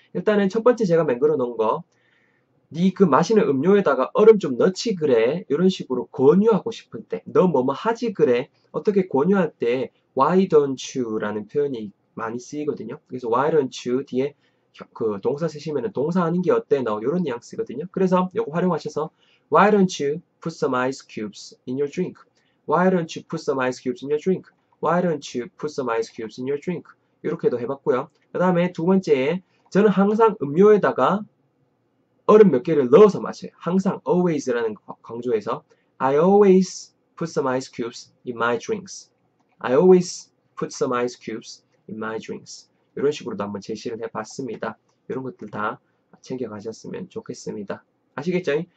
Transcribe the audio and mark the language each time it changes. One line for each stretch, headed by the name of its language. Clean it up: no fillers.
Korean: 일단은 첫 번째 제가 맹글어 놓은 거 네 그 마시는 음료에다가 얼음 좀 넣지 그래 이런 식으로 권유하고 싶을 때 너 뭐뭐 하지 그래 어떻게 권유할 때
English: why don't you
Korean: 라는 표현이 많이 쓰이거든요. 그래서
English: why don't you
Korean: 뒤에 그 동사 쓰시면 동사하는 게 어때 너 이런 뉘앙스거든요. 그래서 이거 활용하셔서
English: why don't you put some ice cubes in your drink why don't you put some ice cubes in your drink why don't you put some ice cubes in your drink
Korean: 이렇게도 해봤고요. 그 다음에 두 번째에 저는 항상 음료에다가 얼음 몇 개를 넣어서 마셔요. 항상 always라는 거 강조해서
English: I always put some ice cubes in my drinks. I always put some ice cubes in my drinks.
Korean: 이런 식으로도 한번 제시를 해봤습니다. 이런 것들 다 챙겨가셨으면 좋겠습니다. 아시겠죠?